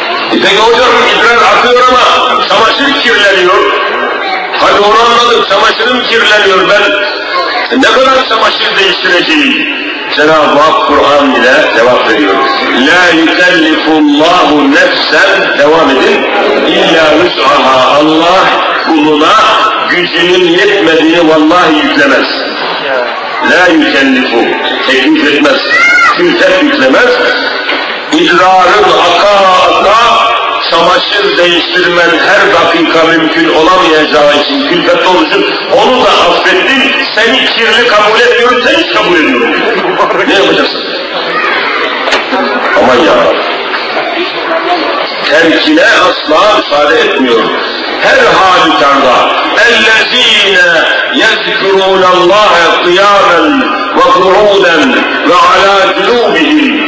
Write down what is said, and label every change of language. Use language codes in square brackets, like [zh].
[tr] Peki hocam idrar akıyor ama çamaşır kirleniyor. Hadi onu anladım, çamaşırım kirleniyor ben. Ne kadar çamaşır değiştireceğim? Cenab-ı Hak Kur'an ile devam ediyor. [ar] لَا يُكَلِّفُ اللّٰهُ نَفْسًا [tr] devam edin. [ar] اِلَّا رُسْعَهَا [tr] Allah kuluna gücünün yetmediğini vallahi yüklemez. [ar] لَا يُكَلِّفُ [tr] teklif etmez. Kültet yüklemez. İdrarın aka aka çamaşır değiştirmen her dakika mümkün olamayacağı için külfet olucu, onu da affettin, seni kirli kabul etmiyorum, seni kabul ediyorum. Ne yapacaksın? Aman ya! Terkine asla müsaade etmiyorum. Her halükarda [ar] اَلَّذ۪ينَ يَذْكُرُونَ اللّٰهَ قِيَامًا وَقُعُودًا وَعَلَى جُلُوبِهِمْ